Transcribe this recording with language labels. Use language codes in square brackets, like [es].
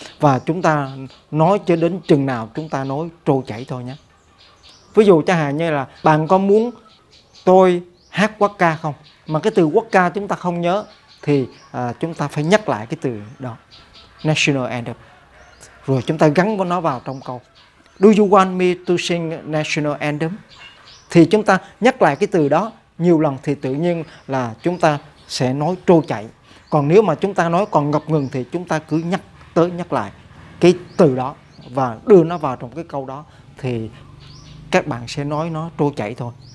[vi] Và chúng ta nói cho đến chừng nào chúng ta nói trôi chảy thôi nhé. Ví dụ chẳng hạn như là bạn có muốn tôi hát quốc ca không? Mà cái từ quốc ca chúng ta không nhớ thì chúng ta phải nhắc lại cái từ đó. National anthem. Rồi chúng ta gắn nó vào trong câu. [en] Do you want me to sing national anthem? [vi] Thì chúng ta nhắc lại cái từ đó nhiều lần thì tự nhiên là chúng ta sẽ nói trôi chảy. Còn nếu mà chúng ta nói còn ngập ngừng thì chúng ta cứ nhắc tới nhắc lại cái từ đó và đưa nó vào trong cái câu đó thì các bạn sẽ nói nó trôi chảy thôi.